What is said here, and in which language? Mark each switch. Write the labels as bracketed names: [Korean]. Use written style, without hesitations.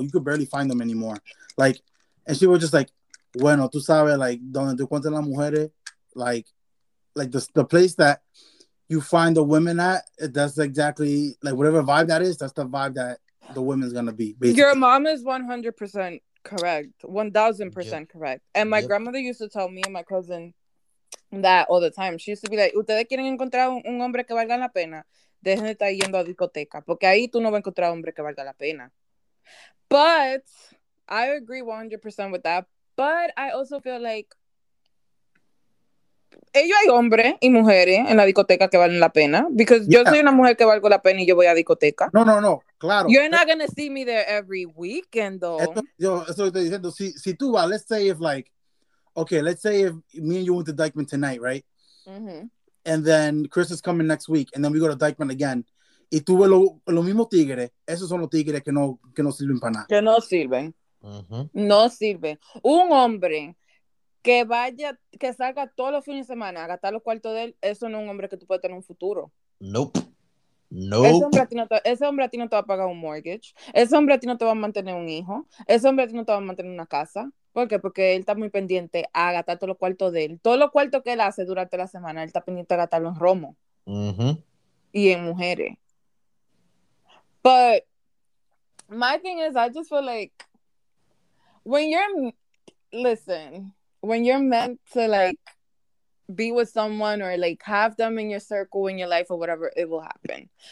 [English] You could barely find them anymore. Like, and she was just like, [Spanish] bueno, tú sabes, [English] like, [Spanish] donde tú encuentras las mujeres, [English] like the place that you find the women at, that's exactly, like, whatever vibe that is, that's the vibe that the women's gonna be. Basically. Your mom is 100% correct. 1,000% correct. And my grandmother used to tell me and my cousin that all the time. [Spanish] She used to be like, ustedes quieren encontrar un hombre que valga la pena. Dejen de estar yendo a discoteca, porque ahí tú no vas a encontrar hombre que valga la pena. [English] But I agree 100% with that. But I also feel like [Spanish] ellos hay hombres y mujeres en la discoteca que valen la pena. [English] Because [Spanish] yo soy una mujer que valgo la pena y yo voy a discoteca. No, claro. [English] You're not gonna see me there every weekend, though. [Spanish] Eso estoy diciendo. Si tú vas, [English] let's say if, like, okay, let's say if me and you went to Dykeman tonight, right? Mm-hmm. And then Chris is coming next week, and then we go to Dykeman again. [Spanish] Y tuve lo mismo tigre. Esos son los tigres que no sirven para nada. Que no sirven. Uh-huh. No sirven. Un hombre que vaya, que salga todos los fines de semana a gastar los cuartos de él, eso no es un hombre que tú puedes tener un futuro. [English] Nope. [Spanish] Ese hombre a ti no te va a pagar un mortgage. Ese hombre a ti no te va a mantener un hijo. Ese hombre a ti no te va a mantener una casa. ¿Por qué? Porque él está muy pendiente a gastar todos los cuartos de él. Todos los cuartos que él hace durante la semana, él está pendiente a gastarlo en romo. Uh-huh. Y en mujeres. [English] But my thing is, I just feel like when you're meant to, like, be with someone or, like, have them in your circle, in your life, or whatever, it will happen.